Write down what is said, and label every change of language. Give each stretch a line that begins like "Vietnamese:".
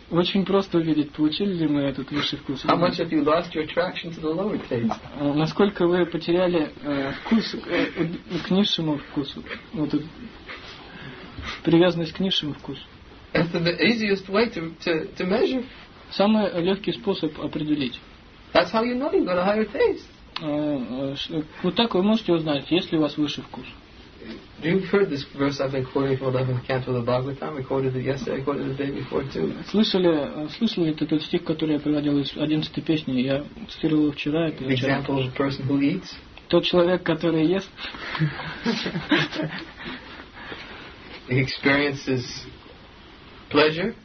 Russian: Очень просто видеть, получили ли мы этот высший вкус.
English: How much have you lost your attraction to the lower taste?
Russian: Насколько вы потеряли вкус к низшему вкусу? Вот привязанность к низшему вкусу.
English: It's the easiest way to measure.
Russian: Самый легкий способ определить.
English: That's how you know you got a higher taste.
Russian: Вот так вы можете узнать, есть ли у вас высший вкус.
English: You've heard this verse I've been quoting from the 11th canto of the Bhagavatam. We quoted it yesterday, I quoted it the day before too.
Russian: Слышали этот стих, который я приводил из 11-й песни? Я цитировал вчера.
English: The example of a person who eats.
Russian: Тот человек, который ест.
English: He experiences pleasure.